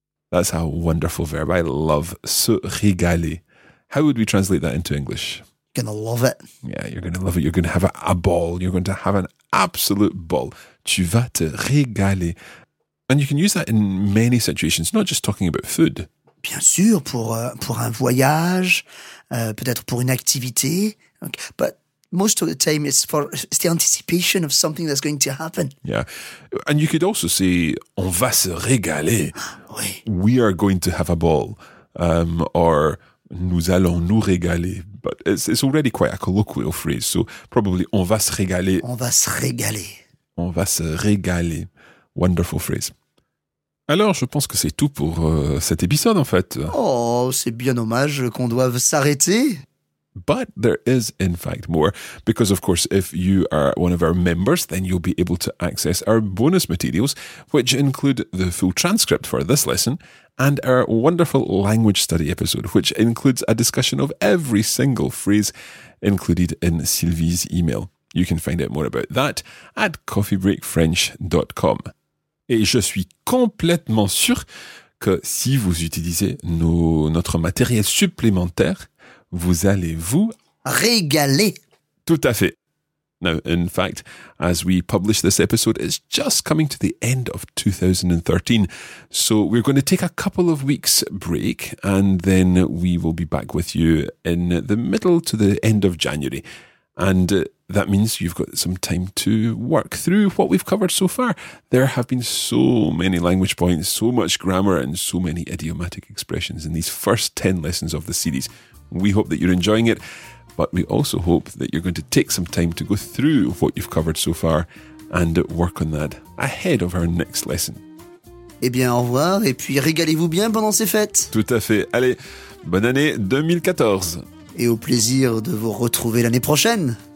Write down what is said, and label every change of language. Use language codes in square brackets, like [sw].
[en] That's a wonderful verb. I love se régaler. How would we translate that into English? You're going to love it. Yeah, you're going to love it. You're going to have a ball. You're going to have an absolute ball. [fr] Tu vas te régaler. [en] And you can use that in many situations, not just talking about food. [fr] Bien sûr, pour un voyage, peut-être pour une activité. [en] Okay. But most of the time, it's the anticipation of something that's going to happen. Yeah. And you could also say, [fr] on va se régaler. Oui. [en] We are going to have a ball. Or [fr] nous allons nous régaler. [en] But it's already quite a colloquial phrase. So probably, [fr] on va se régaler. On va se régaler. On va se régaler. [en] Wonderful phrase. [fr] Alors, je pense que c'est tout pour cet épisode, en fait. Oh, c'est bien dommage qu'on doive s'arrêter. [en] But there is, in fact, more. Because, of course, if you are one of our members, then you'll be able to access our bonus materials, which include the full transcript for this lesson and our wonderful language study episode, which includes a discussion of every single phrase included in Sylvie's email. You can find out more about that at coffeebreakfrench.com. [fr] Et je suis complètement sûr que si vous utilisez notre matériel supplémentaire, vous allez vous régaler. Tout à fait. [en] Now, in fact, as we publish this episode, it's just coming to the end of 2013. So we're going to take a couple of weeks break and then we will be back with you in the middle to the end of January. And that means you've got some time to work through what we've covered so far. There have been so many language points, so much grammar, and so many idiomatic expressions in these first 10 lessons of the series. We hope that you're enjoying it, but we also hope that you're going to take some time to go through what you've covered so far and work on that ahead of our next lesson. [fr] Eh bien, au revoir, et puis régalez-vous bien pendant ces fêtes. Tout à fait. Allez, bonne année 2014. Et au plaisir de vous retrouver l'année prochaine.